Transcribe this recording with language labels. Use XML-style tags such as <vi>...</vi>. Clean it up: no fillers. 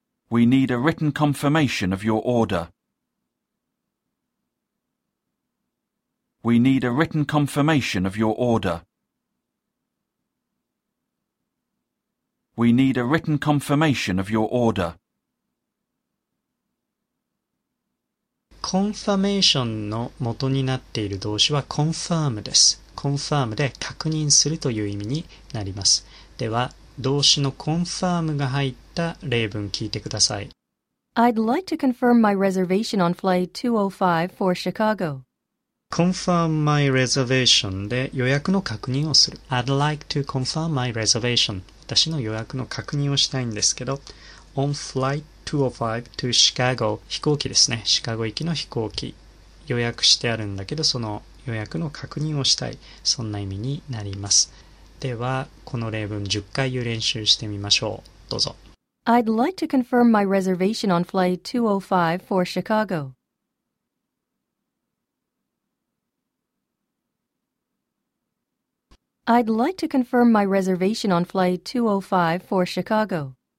<en>We need a written confirmation of your order. We need a written confirmation of your order. We need a written confirmation of your order.</en> <ja>Confirmation の元になっている動詞は confirm です。 confirm で確認するという意味になります。では、動詞の confirm が入った例文聞いてください。</ja> <en>I'd like to confirm my reservation on flight 205 for Chicago. Confirm my reservation</en> <ja>で予約の確認をする。</ja> <en>I'd like to confirm my reservation.</en> <ja>私の予約の確認をしたいんですけど、</ja> <en>on flight 205 to Chicago</en> <ja>飛行機ですね。シカゴ行きの飛行機。予約してあるんだけど、その予約の確認をしたい。そんな意味になります。では、この例文10回言う練習してみましょう。どうぞ。</ja> <en>I'd like to confirm my reservation on flight 205 for Chicago. I'd like to confirm my reservation on flight 205 for Chicago.</en>